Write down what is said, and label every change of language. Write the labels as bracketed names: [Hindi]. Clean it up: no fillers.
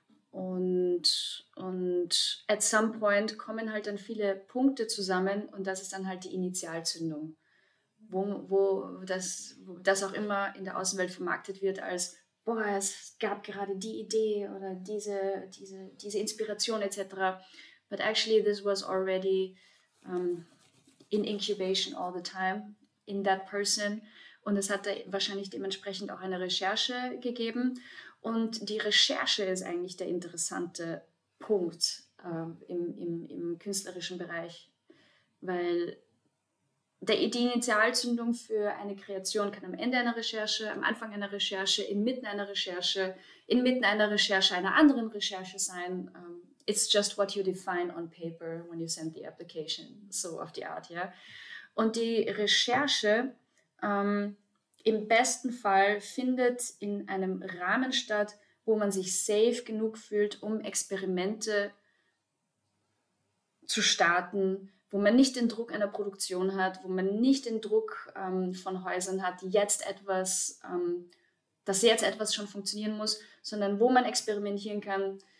[German] Und [English] at some point [German] kommen halt dann viele Punkte zusammen und das ist dann halt die Initialzündung, wo das auch immer in der Außenwelt vermarktet wird als, boah, es gab gerade die Idee oder diese Inspiration etc. [English] But actually this was already in incubation all the time, in that person. [German] Und es hat da wahrscheinlich dementsprechend auch eine Recherche gegeben. Und die Recherche ist eigentlich der interessante Punkt im künstlerischen Bereich. Weil die Initialzündung für eine Kreation kann am Ende einer Recherche, am Anfang einer Recherche, inmitten einer Recherche einer anderen Recherche sein. [English] It's just what you define on paper when you send the application, so of the art, yeah. [German] Und die Recherche im besten Fall findet in einem Rahmen statt, wo man sich safe genug fühlt, um Experimente zu starten, wo man nicht den Druck einer Produktion hat, wo man nicht den Druck von Häusern hat, dass jetzt etwas schon funktionieren muss, sondern wo man experimentieren kann,